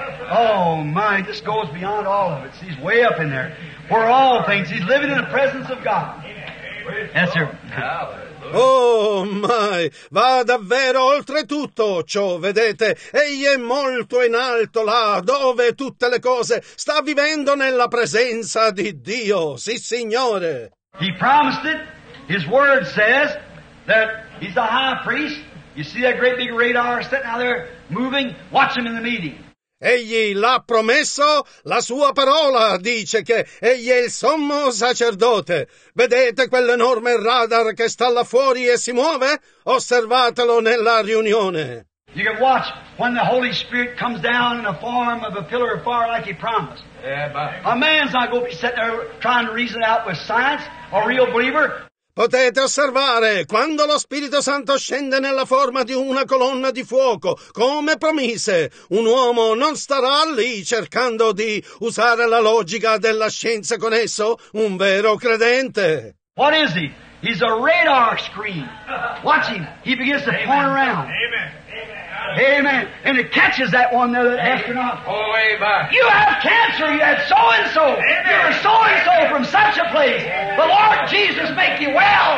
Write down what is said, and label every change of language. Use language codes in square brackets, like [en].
[en] Oh my, this goes beyond all of it, he's way up in there. We're all things. He's living in the presence of God. Yes, sir. Oh, my. [it] Va davvero oltre tutto ciò, vedete. Egli è molto in alto là, dove tutte le cose. Sta vivendo nella presenza di Dio. Sì, Signore. [en] He promised it. His word says that he's the high priest. You see that great big radar sitting out there moving? Watch him in the meeting. [it] Egli l'ha promesso, la sua parola dice che egli è il sommo sacerdote. Vedete quell'enorme radar che sta là fuori e si muove? Osservatelo nella riunione. [en] You can watch when the Holy Spirit comes down in the form of a pillar of fire like he promised. Yeah, a man's not going to be sitting there trying to reason out with science, a real believer. [it] Potete osservare, quando lo Spirito Santo scende nella forma di una colonna di fuoco, come promise, un uomo non starà lì cercando di usare la logica della scienza con esso, un vero credente. [en] What is he? He's a radar screen. Watch him. He begins to turn around. Amen. Amen. Amen. And it catches that one there, that astronaut. Oh, amen. You have cancer. You had so-and-so. Amen. You were so-and-so amen. From such a place. Amen. The Lord Jesus make you well.